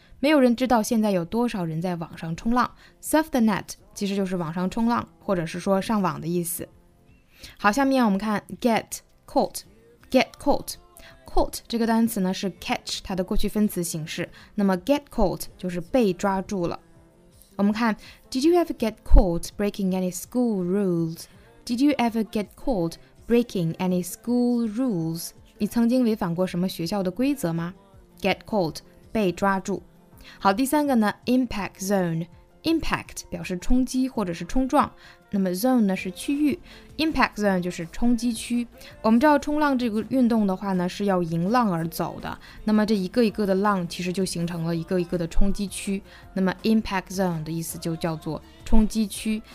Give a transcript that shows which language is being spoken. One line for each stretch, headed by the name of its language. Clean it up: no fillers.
Chinese: 没有人知道现在有多少人在网上冲浪。
English: Surf the net
Chinese: 其实就是网上冲浪，或者是说上网的意思。好，下面我们看 get caught。
English: get caught。
Chinese: caught 这个单词呢是 catch 它的过去分词形式，那么 get caught 就是被抓住了。我们看
English: Did you ever get caught breaking any school rules? Did you ever get caught breaking any school rules?
Chinese: 你曾经违反过什么学校的规则吗？ get caught 被抓住。好，第三个呢 impact zone。impact 表示冲击或者是冲撞，那么 zone 呢是区域， impact zone 就是冲击区。我们知道冲浪这个运动的话呢是要迎浪而走的，那么这一个一个的浪其实就形成了一个一个的冲击区，那么 impact zone 的意思就叫做冲击区。